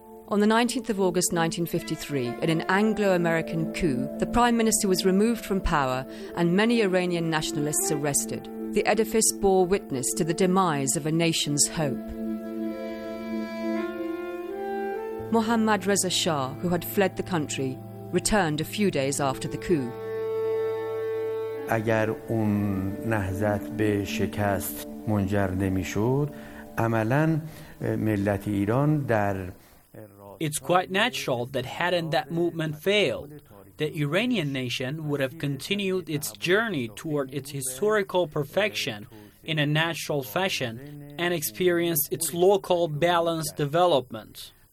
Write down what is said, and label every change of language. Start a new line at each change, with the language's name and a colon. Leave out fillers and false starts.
English: On the 19th of August 1953, in an Anglo-American coup, the Prime Minister was removed from power and many Iranian nationalists arrested. The edifice bore witness to the demise of a nation's hope. Mohammad Reza Shah, who had fled the country, returned a few days after the coup.
Persian: اگر اون نهضت به شکست منجر نمی‌شد، عملاً ملت ایران در
English: It's quite natural that hadn't that movement failed, the Iranian nation would have continued its journey toward its historical perfection in a natural fashion and experienced its local balanced development.